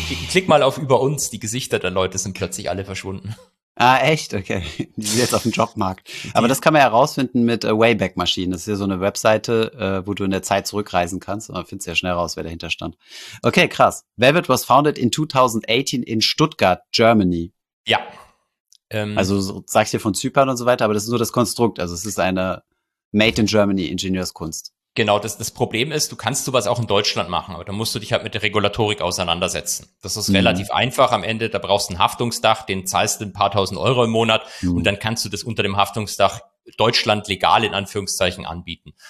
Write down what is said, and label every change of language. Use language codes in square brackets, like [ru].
[de] Klick mal auf über uns, die Gesichter der Leute sind plötzlich alle verschwunden. Ah, echt? Okay. Die sind jetzt auf dem Jobmarkt. Aber das kann man ja herausfinden mit Wayback-Maschinen. Das ist ja so eine Webseite, wo du in der Zeit zurückreisen kannst. Und man findet sehr schnell raus, wer dahinter stand. Okay, krass. [en] Velvet was founded in 2018 in Stuttgart, Germany. [de] Ja. Also so, sag ich dir von Zypern und so weiter, aber das ist nur das Konstrukt. Also es ist eine Made in Germany Ingenieurskunst. Genau, das Problem ist, du kannst sowas auch in Deutschland machen, aber da musst du dich halt mit der Regulatorik auseinandersetzen. Das ist relativ einfach am Ende, da brauchst du ein Haftungsdach, den zahlst du ein paar tausend Euro im Monat und dann kannst du das unter dem Haftungsdach Deutschland legal in Anführungszeichen anbieten.